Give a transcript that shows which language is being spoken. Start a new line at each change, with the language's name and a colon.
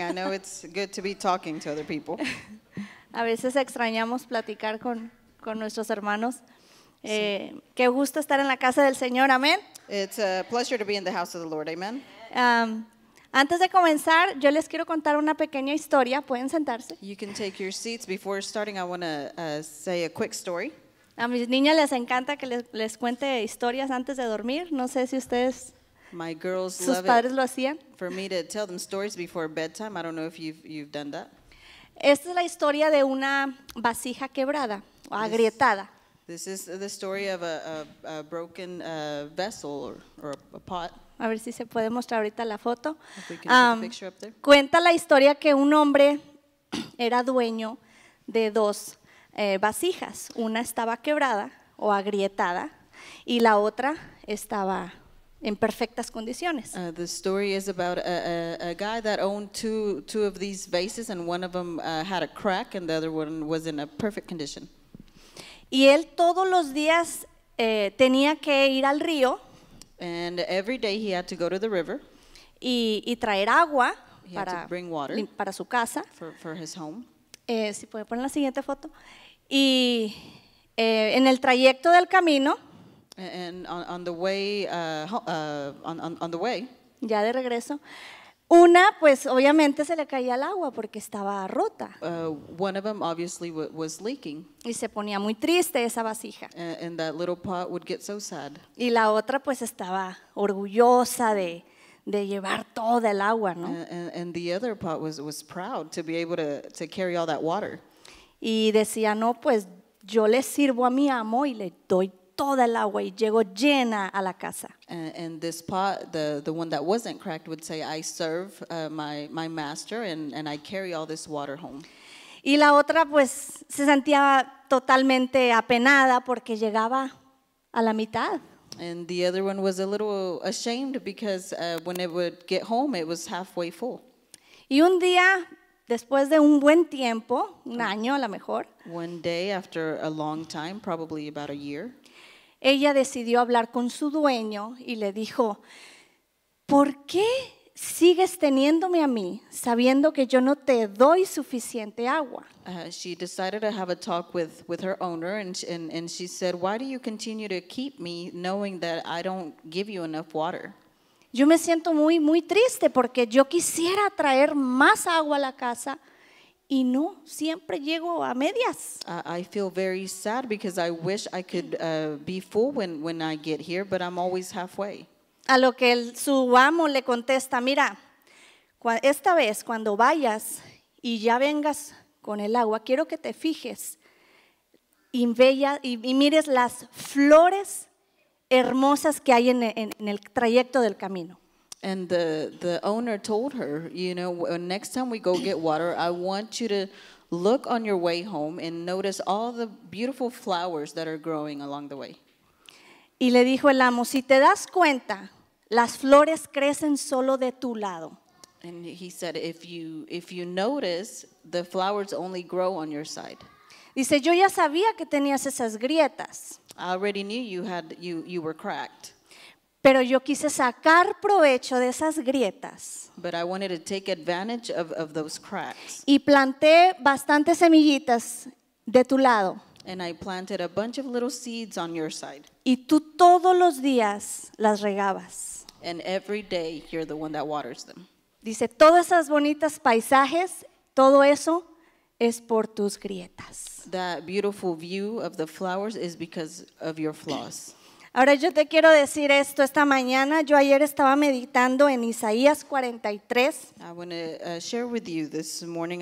English: I know it's good to be talking to other people.
Spanish: A veces extrañamos platicar con nuestros hermanos. Qué gusto estar en la casa del Señor. Amén.
English: It's a pleasure to be in the house of the Lord. Amen.
Spanish: Antes de comenzar, yo les quiero contar una pequeña historia. Pueden sentarse.
English: You can take your seats. Before starting, I want to say a quick story.
Spanish: A mis niñas les encanta que les cuente historias antes de dormir. No sé si ustedes,
English: my girls,
Spanish: sus padres lo hacían.
English: For me to tell them stories before bedtime. I don't know if you've done that.
Spanish: Esta es la historia de una vasija quebrada o agrietada.
English: This is the story of a broken vessel or a pot.
Spanish: A ver si se puede mostrar ahorita la foto.
English: Picture up there.
Spanish: Cuenta la historia que un hombre era dueño de dos vasijas. Una estaba quebrada o agrietada y la otra estaba en perfectas condiciones.
English: The story is about a guy that owned two of these vases, and one of them had a crack and the other one was in a perfect condition.
Spanish: Y él todos los días tenía que ir al río.
English: And every day he had to go to the river.
Spanish: Y traer agua para,
English: to bring water
Spanish: para su casa.
English: For his home.
Spanish: Si puede poner la siguiente foto. Y en el trayecto del camino.
English: And on the way, on the way.
Spanish: Ya de regreso. Una, pues, obviamente se le caía el agua porque estaba rota.
English: One of them obviously was leaking.
Spanish: Y se ponía muy triste esa vasija.
English: And that little pot would get so sad.
Spanish: Y la otra, pues, estaba orgullosa de llevar toda el agua, ¿no?
English: And the other pot was proud to be able to carry all that water.
Spanish: Y decía, no, pues, yo le sirvo a mi amo y le doy toda el agua y llegó llena a la casa.
English: And this pot, the one that wasn't cracked, would say, I serve my master and I carry all this water home.
Spanish: Y la otra, pues, se sentía totalmente apenada porque llegaba a la mitad.
English: And the other one was a little ashamed because when it would get home, it was halfway full.
Spanish: Y un día, después de un buen tiempo, un año a lo mejor.
English: One day after a long time, probably about a year.
Spanish: Ella decidió hablar con su dueño y le dijo, ¿por qué sigues teniéndome a mí sabiendo que yo no te doy suficiente agua?
English: She decided to have a talk with her owner and she said, why do you continue to keep me knowing that I don't give you enough water?
Spanish: Yo me siento muy, muy triste porque yo quisiera traer más agua a la casa. Y no, siempre llego a medias.
English: I feel very sad because I wish I could be full when I get here, but I'm always halfway.
Spanish: A lo que su amo le contesta, mira, esta vez cuando vayas y ya vengas con el agua, quiero que te fijes y mires las flores hermosas que hay en el trayecto del camino.
English: And the owner told her, you know, next time we go get water, I want you to look on your way home and notice all the beautiful flowers that are growing along the way.
Spanish: Y le dijo el amo, si te das cuenta, las flores crecen solo de tu lado.
English: And he said, if you notice, the flowers only grow on your side.
Spanish: Dice, yo ya sabía que tenías esas grietas.
English: I already knew you were cracked.
Spanish: Pero yo quise sacar provecho de esas grietas.
English: But I wanted to take advantage of those cracks.
Spanish: Y planté bastantes semillitas de tu lado.
English: And I planted a bunch of little seeds on your side.
Spanish: Y tú todos los días las regabas.
English: And every day you're the one that waters them.
Spanish: Dice, todas esas bonitas paisajes, todo eso es por tus grietas.
English: That beautiful view of the flowers is because of your flaws.
Spanish: Ahora yo te quiero decir esto esta mañana. Yo ayer estaba meditando en Isaías 43.
English: I want to share with you this morning.